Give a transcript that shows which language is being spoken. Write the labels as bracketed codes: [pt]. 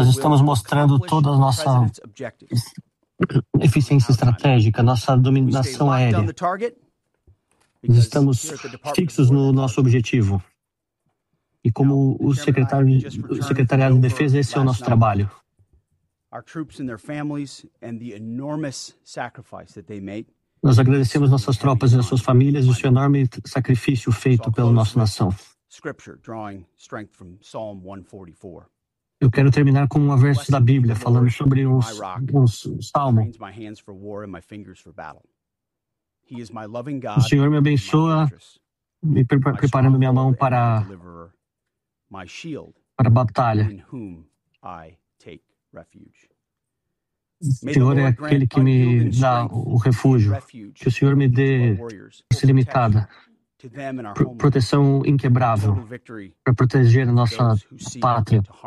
[pt] Nós estamos mostrando toda a nossa eficiência estratégica, nossa dominação aérea. Nós estamos fixos no nosso objetivo. E como o secretariado de defesa, esse é o nosso trabalho. [en] Our troops and their families and the enormous sacrifice that they make. [pt] Nós agradecemos nossas tropas e as suas famílias e o seu enorme sacrifício feito pela nossa nação. [en] Scripture drawing strength from Psalm 144. [pt] Eu quero terminar com um verso da Bíblia falando sobre um salmo. [en] My hands for war and my fingers for battle. He is my loving God. [pt] O Senhor me abençoa, me preparando minha mão para a batalha. [en] In whom I take refuge. [pt] O Senhor é aquele que me dá o refúgio. Que o Senhor me dê força ilimitada, proteção inquebrável, para proteger a nossa pátria.